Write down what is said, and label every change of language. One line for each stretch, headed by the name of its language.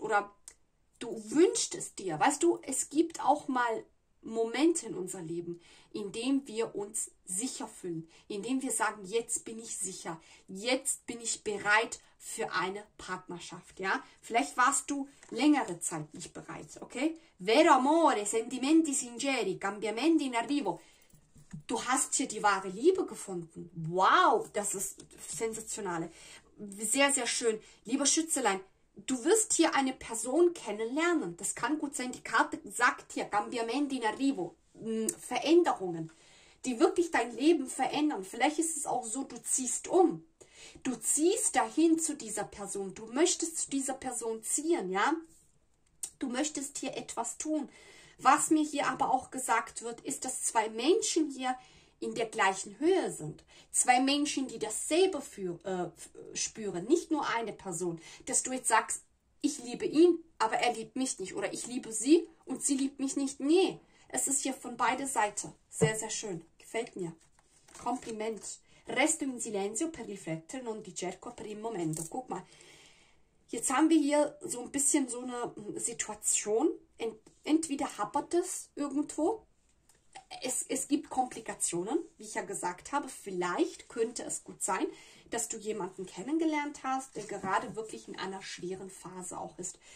German: Oder du wünschst es dir. Weißt du, es gibt auch mal Momente in unser Leben, in dem wir uns sicher fühlen, in dem wir sagen, jetzt bin ich sicher, jetzt bin ich bereit für eine Partnerschaft, ja? Vielleicht warst du längere Zeit nicht bereit, okay?
Italian: Vero amore, sentimenti sinceri, cambiamenti in arrivo.
German: Du hast hier die wahre Liebe gefunden. Wow, das ist sensationale. Sehr, sehr schön. Lieber Schützelein, du wirst hier eine Person kennenlernen. Das kann gut sein. Die Karte sagt hier,
Italian: Cambiamenti in arrivo,
German: Veränderungen, die wirklich dein Leben verändern. Vielleicht ist es auch so, du ziehst um. Du ziehst dahin zu dieser Person. Du möchtest zu dieser Person ziehen, ja? Du möchtest hier etwas tun. Was mir hier aber auch gesagt wird, ist, dass zwei Menschen hier in der gleichen Höhe sind. Zwei Menschen, die dasselbe spüren, nicht nur eine Person, dass du jetzt sagst, ich liebe ihn, aber er liebt mich nicht, oder ich liebe sie und sie liebt mich nicht. Nee, es ist hier von beider Seite. Sehr, sehr schön. Gefällt mir. Kompliment.
Italian: Resto in silenzio per riflettere, non di cerco per il momento.
German: Guck mal. Jetzt haben wir hier so ein bisschen so eine Situation. Entweder hapert es irgendwo. Es gibt Komplikationen, wie ich ja gesagt habe. Vielleicht könnte es gut sein, dass du jemanden kennengelernt hast, der gerade wirklich in einer schweren Phase auch ist.